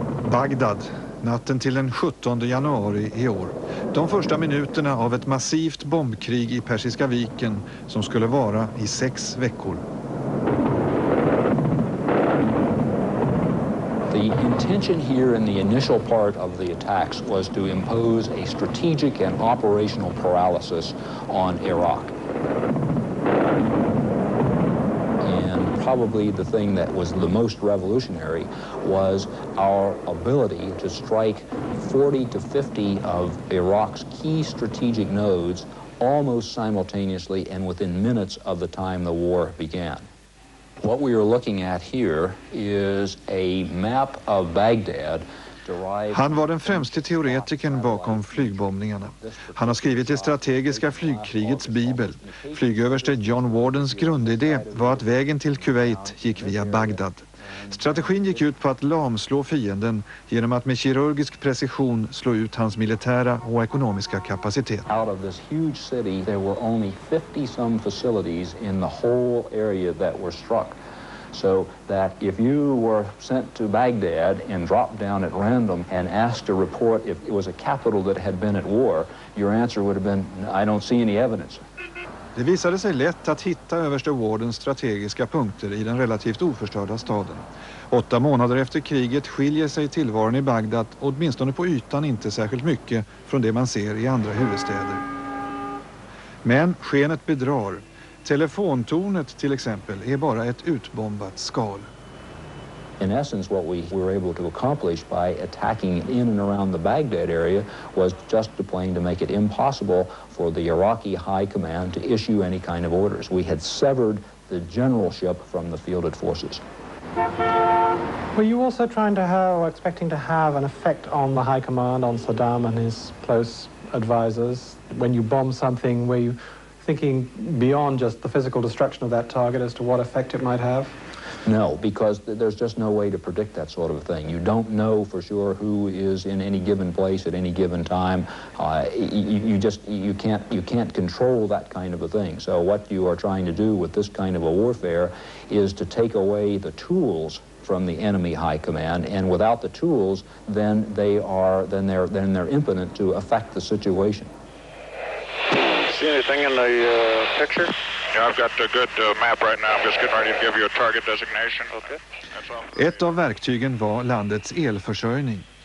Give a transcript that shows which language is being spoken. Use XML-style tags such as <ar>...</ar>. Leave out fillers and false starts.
<sv>Bagdad, natten till den 17 januari i år. De första minuterna av ett massivt bombkrig i Persiska viken som skulle vara i 6 veckor.</sv> <en>The intention here in the initial part of the attacks was to impose a strategic and operational paralysis on Iraq. Probably the thing that was the most revolutionary was our ability to strike 40 to 50 of Iraq's key strategic nodes almost simultaneously and within minutes of the time the war began. What we are looking at here is a map of Baghdad.</en> <sv>Han var den främste teoretikern bakom flygbombningarna. Han har skrivit det strategiska flygkrigets bibel. Flygöverste John Wardens grundidé var att vägen till Kuwait gick via Bagdad. Strategin gick ut på att lamslå fienden genom att med kirurgisk precision slå ut hans militära och ekonomiska kapacitet.</sv> <en>Out of this huge city there were only 50 some facilities in the whole area that were struck. So that if you were sent to Baghdad and dropped down at random and asked to report if it was a capital that had been at war, your answer would have been, I don't see any evidence.</en> <sv>Det visade sig lätt att hitta överste Wardens strategiska punkter i den relativt oförstörda staden. 8 månader efter kriget skiljer sig tillvaron i Bagdad, åtminstone på ytan inte särskilt mycket, från det man ser i andra huvudstäder. Men skenet bedrar. Telefontornet till exempel är bara ett utbombat skal.</sv> <en>In essence what we were able to accomplish by attacking in and around the Baghdad area was just to plain to make it impossible for the Iraqi high command to issue any kind of orders. We had severed the generalship from the fielded forces. Were you also trying to have or expecting to have an effect on the high command, on Saddam and his close advisors, when you bomb something where you thinking beyond just the physical destruction of that target as to what effect it might have? No, because there's just no way to predict that sort of thing. You don't know for sure who is in any given place at any given time. You can't control that kind of a thing. So what you are trying to do with this kind of a warfare is to take away the tools from the enemy high command, and without the tools, then they're impotent to affect the situation. See anything in the picture? Yeah, I've got a good map right now. I'm just getting ready to give you a target designation. Okay.</en> <sv>Ett av verktygen var landets elförsörjning.</sv>